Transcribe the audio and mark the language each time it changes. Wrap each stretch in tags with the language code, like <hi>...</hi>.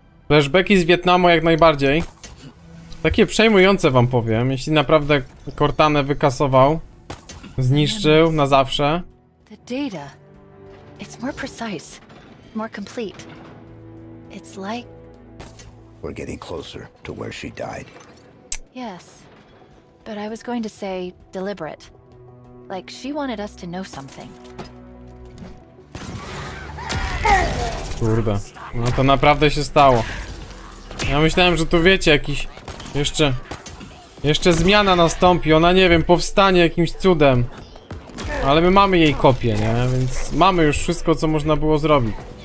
<pl>Flashbacki z Wietnamu jak najbardziej. Takie przejmujące wam powiem, jeśli naprawdę Cortanę wykasował, zniszczył na zawsze.</pl> <en>The data. It's more precise, more complete. It's like we're getting closer to where she died. Yes. But I was going to say deliberate. Like she wanted us to know something.</en> <pl>Kurde. No to naprawdę się stało. Ja myślałem, że tu wiecie jakiś jeszcze zmiana nastąpi, ona nie wiem, powstanie jakimś cudem. Ale my mamy jej kopię, nie? Więc mamy już wszystko, co można było zrobić.</pl>